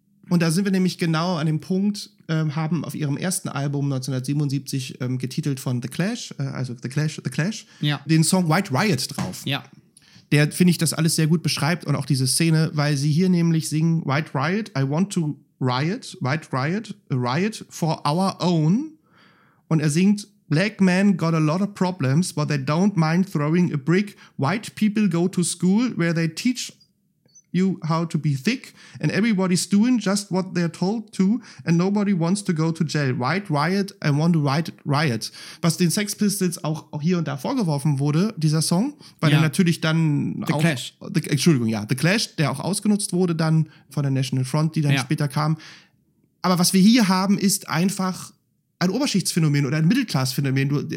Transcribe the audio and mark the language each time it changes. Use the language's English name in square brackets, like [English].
[German] Und da sind wir nämlich genau an dem Punkt, haben auf ihrem ersten Album 1977 getitelt von The Clash, The Clash, ja, den Song White Riot drauf. Ja. Der, finde ich, das alles sehr gut beschreibt und auch diese Szene, weil sie hier nämlich singen [English] White Riot, I want to riot, White Riot, a riot for our own. [German] Und er singt [English] Black men got a lot of problems, but they don't mind throwing a brick. White people go to school where they teach you how to be thick, and everybody's doing just what they're told to, and nobody wants to go to jail. White riot, I want to white riot. [German] Was den Sex Pistols auch hier und da vorgeworfen wurde, dieser Song, weil er natürlich dann [English] The [German] auch, [English] Clash. [German] The Clash, der auch ausgenutzt wurde dann von der National Front, die dann später kam. Aber was wir hier haben, ist einfach ein Oberschichtsphänomen oder ein Mittelklassphänomen.